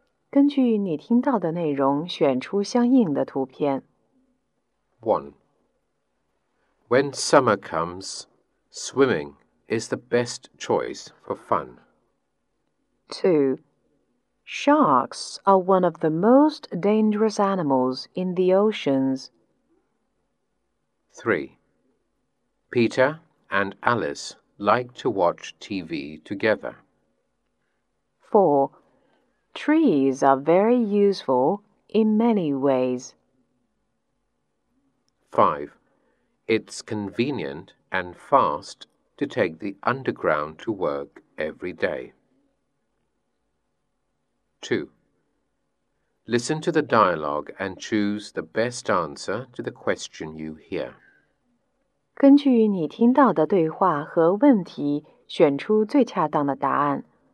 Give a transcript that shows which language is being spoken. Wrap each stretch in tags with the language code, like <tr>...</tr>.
<zh>根据你听到的内容选出相应的图片。</zh> <en>1. When summer comes, swimming is the best choice for fun. 2. Sharks are one of the most dangerous animals in the oceans. 3. Peter and Alice like to watch TV together. 4. Trees are very useful in many ways. 5. It's convenient and fast to take the underground to work every day. 2. Listen to the dialogue and choose the best answer to the question you hear.</en> <zh>根据你听到的对话和问题，选出最恰当的答案。</zh>